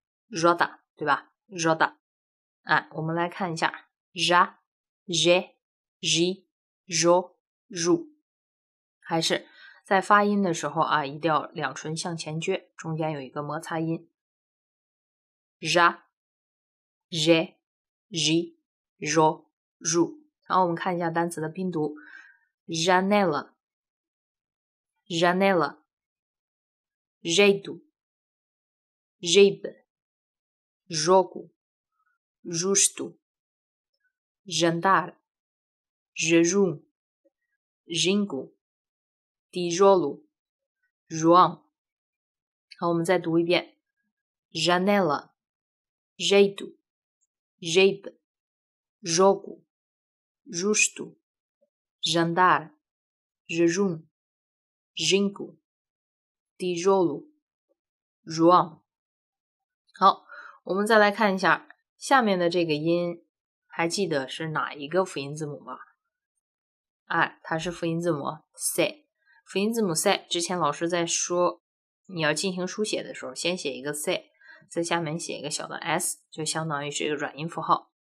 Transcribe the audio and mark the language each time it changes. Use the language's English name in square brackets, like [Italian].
[Chinese] Roda， 对吧 ？Roda， 啊，我们来看一下 ，ra， je， ji， ro， ru， 还是在发音的时候啊，一定要两唇向前撅，中间有一个摩擦音 ，ra， je， ji， ro， ru。然后我们看一下单词的拼读 ， [Portuguese] janela，janela，jedu，jeb。 jogo, justo, jantar, jejum, jingo, tijolo, João. [Chinese] 好，我们再读一遍 [Portuguese] janela, jeito, jeito, jogo, justo, jantar, jejum, jingo, tijolo, João. [Chinese] 好，我们再来看一下下面的这个音，还记得是哪一个辅音字母吗？哎，它是辅音字母 C。辅音字母 C， 之前老师在说你要进行书写的时候，先写一个 C， 在下面写一个小的 S， 就相当于是一个软音符号。